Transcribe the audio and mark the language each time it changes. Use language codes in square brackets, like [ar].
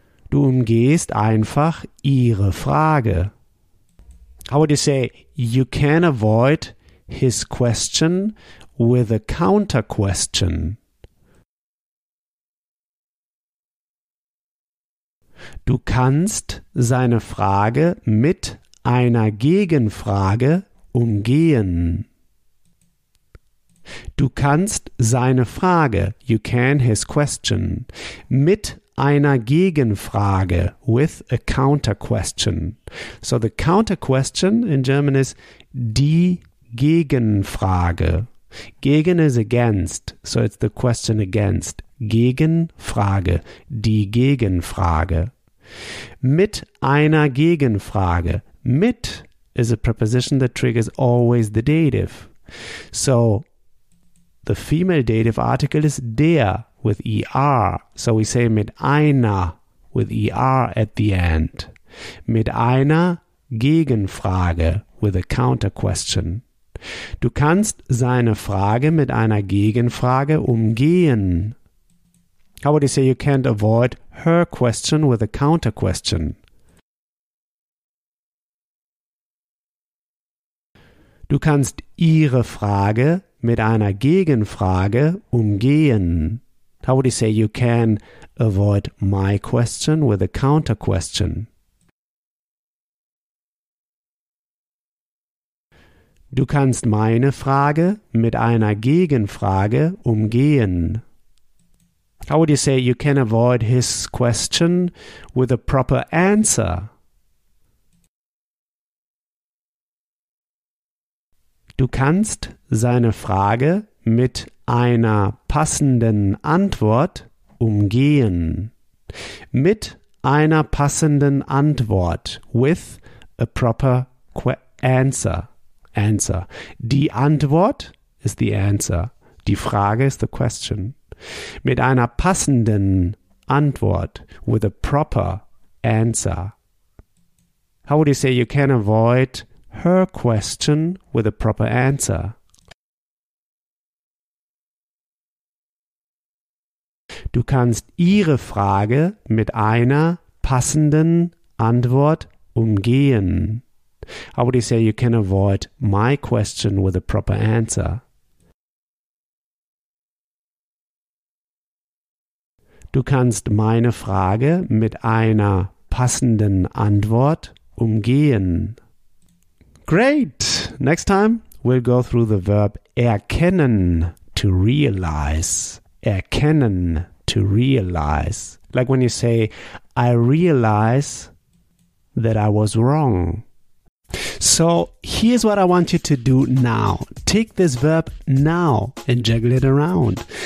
[de] Du umgehst einfach ihre Frage. [en] How would you say you can avoid his question with a counter question? [de] Du kannst seine Frage mit einer Gegenfrage umgehen. Du kannst seine Frage, [en] you can his question, [de] mit einer Gegenfrage, [en] with a counter question. So the counter question in German is die Gegenfrage. Gegen is against, so it's the question against. [de] Gegenfrage, die Gegenfrage. Mit einer Gegenfrage. [en] Mit is a preposition that triggers always the dative. So the female dative article is der with er. So we say [de] mit einer [en] with er at the end. [de] Mit einer Gegenfrage [en] with a counter question. [de] Du kannst seine Frage mit einer Gegenfrage umgehen. [en] How would you say you can't avoid her question with a counter question? [de] Du kannst ihre Frage mit einer Gegenfrage umgehen. [en] How would you say you can avoid my question with a counter question? [de] Du kannst meine Frage mit einer Gegenfrage umgehen. [en] How would you say you can avoid his question with a proper answer? [de] Du kannst seine Frage mit einer passenden Antwort umgehen. Mit einer passenden Antwort, [en] with a proper answer. [de] Die Antwort ist die answer. Die Frage ist [en] the question. [de] Mit einer passenden Antwort, [en] with a proper answer. How would you say you can avoid her question with a proper answer? [de] Du kannst ihre Frage mit einer passenden Antwort umgehen. [en] How would you say you can avoid my question with a proper answer? [de] Du kannst meine Frage mit einer passenden Antwort umgehen. [en] Great! Next time we'll go through the verb erkennen, to realize. Erkennen, to realize. Like when you say, I realize that I was wrong. So here's what I want you to do now. Take this verb now and juggle it around.